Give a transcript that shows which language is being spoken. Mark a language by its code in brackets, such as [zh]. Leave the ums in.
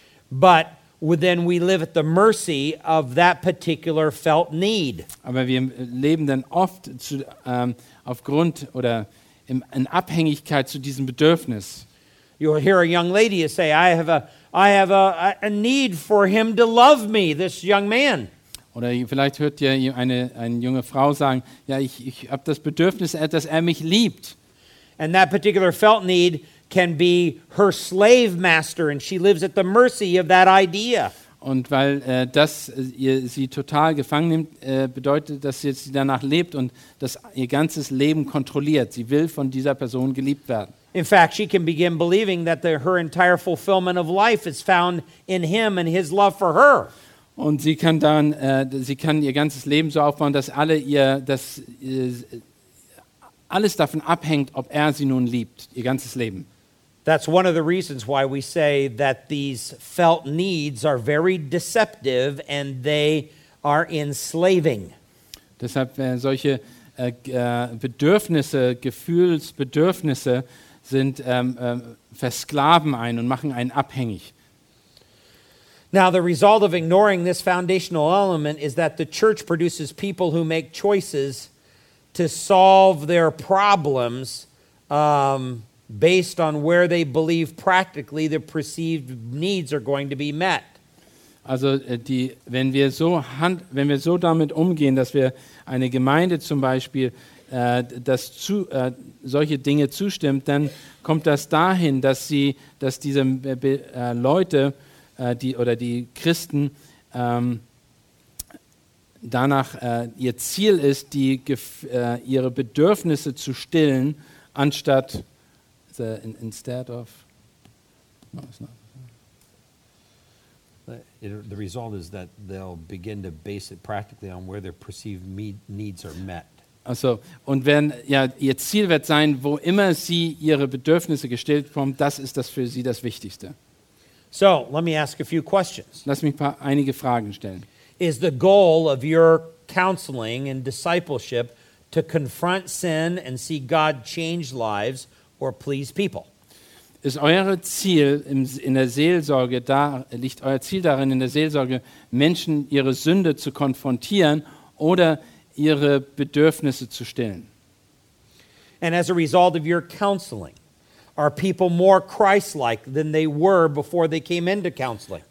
[de] Aber wir leben dann oft ähm, aufgrund oder in Abhängigkeit zu diesem Bedürfnis. [en] you'll hear a young lady say, I have a, I have a, a need for him to love me, this young man. Or [de] vielleicht hört ihr eine, eine junge Frau sagen, ja, ich, ich habe das Bedürfnis, dass er mich liebt. [en] And that particular felt need can be her slave master and she lives at the mercy of that idea. And [de] weil äh, das äh, ihr, sie total gefangen nimmt, äh, bedeutet, dass sie jetzt danach lebt und das ihr ganzes Leben kontrolliert. [en] be loved by [de] dieser Person [en] in fact, she can begin believing that the, her entire fulfillment of life is found in him and his love for her. [de] Und sie kann dann, uh, sie kann ihr ganzes Leben so aufbauen, dass alle ihr, dass uh, alles davon abhängt, ob er sie nun liebt, ihr ganzes Leben. [en] That's one of the reasons why we say that these felt needs are very deceptive and they are enslaving. [de] Deshalb uh, solche Bedürfnisse, Gefühlsbedürfnisse. sind ähm, ähm, versklaven ein und machen einen abhängig. [en] Now the result of ignoring this foundational element is that the church produces people who make choices to solve their problems um, based on where they believe practically the perceived needs are going to be met. [de] Also äh, die, wenn wir so hand, wenn wir so damit umgehen, dass wir eine Gemeinde zum Beispiel äh, uh, uh, solche Dinge zustimmt, dann kommt das dahin, dass, sie, dass diese uh, Leute die, oder die Christen um, danach ihr Ziel ist, die, ihre Bedürfnisse zu stillen, anstatt [en] the, no, the, result is that they'll begin to base it practically on where their perceived needs are met. [de] Also, und wenn ja, ihr Ziel wird sein, wo immer sie ihre Bedürfnisse gestellt bekommen, das ist das für sie das Wichtigste. [en] So, let me ask a few questions. [de] Lass mich paar, einige Fragen stellen. [en] Is the goal of your counseling and discipleship to confront sin and see God change lives or please people? [de] Ist euer Ziel in, in der Seelsorge da liegt euer Ziel darin in der Seelsorge Menschen ihre Sünde zu konfrontieren oder ihre Bedürfnisse zu stillen. [en] -like